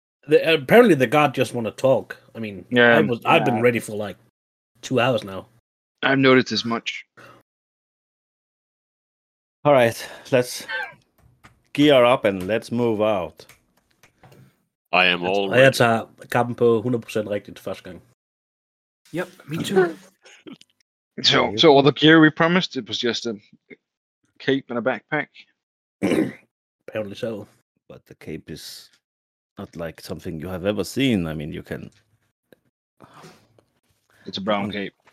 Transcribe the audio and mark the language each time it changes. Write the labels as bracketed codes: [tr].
[en] Apparently the guard just want to talk. I mean, yeah. I've been ready for like 2 hours now. I've noticed as much. All right, let's gear up and let's move out. I am all ready. [da] Jeg tager kampen på 100% rigtigt første gang. [en] Yep, me too. So all the gear we promised, it was just a cape and a backpack? Apparently so. But the cape is not like something you have ever seen. I mean, you can... It's a brown cape.